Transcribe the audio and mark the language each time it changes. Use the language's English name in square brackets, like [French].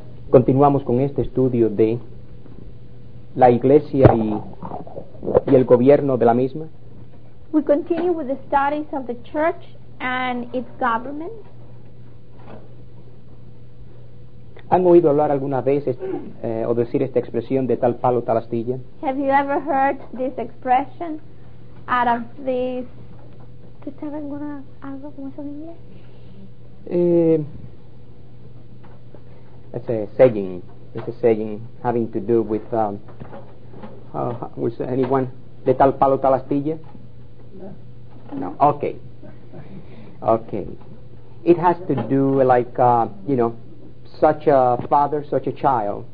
[Spanish] Continuamos con este estudio de la iglesia y el gobierno de la misma. [English] We continue with the studies of the church and its government. [Spanish] ¿Han oído hablar alguna vez o decir esta expresión de tal palo, tal astilla? [English] Have you ever heard this expression out of this? [Spanish] ¿Tú sabes alguna algo como eso en inglés? [English] It's a saying. It's a saying having to do with with anyone. [Spanish] De tal palo, tal astilla. [English] No. No. Okay. Okay. It has to do like such a father, such a child.